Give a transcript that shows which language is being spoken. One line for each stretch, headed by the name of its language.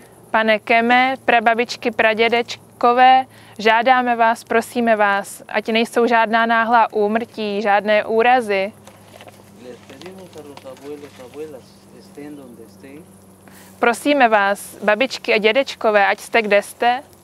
Czech: Pane Keme, prababičky, pradědečkové, žádáme vás, prosíme vás, ať nejsou žádná náhlá úmrtí, žádné úrazy.
Spanish: Les pedimos a los abuelos, abuelas, estén donde estén.
Czech: Prosíme vás, babičky a dědečkové, ať jste kde jste.